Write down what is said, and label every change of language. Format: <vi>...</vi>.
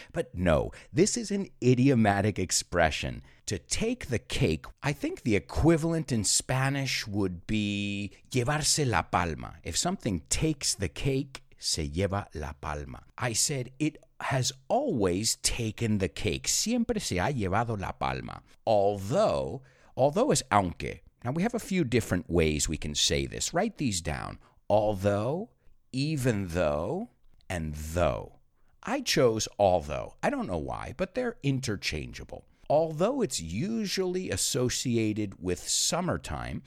<en>But no, this is an idiomatic expression. To take the cake, I think the equivalent in Spanish would be</en> <es>llevarse la palma.</es> <en>If something takes the cake,</en> <es>se lleva la palma.</es> <en>I said, it has always taken the cake.</en> <es>Siempre se ha llevado la palma. Although es aunque.</es> <en>Now, we have a few different ways we can say this. Write these down. Although, even though, and though. I chose although. I don't know why, but they're interchangeable. Although it's usually associated with summertime.</en>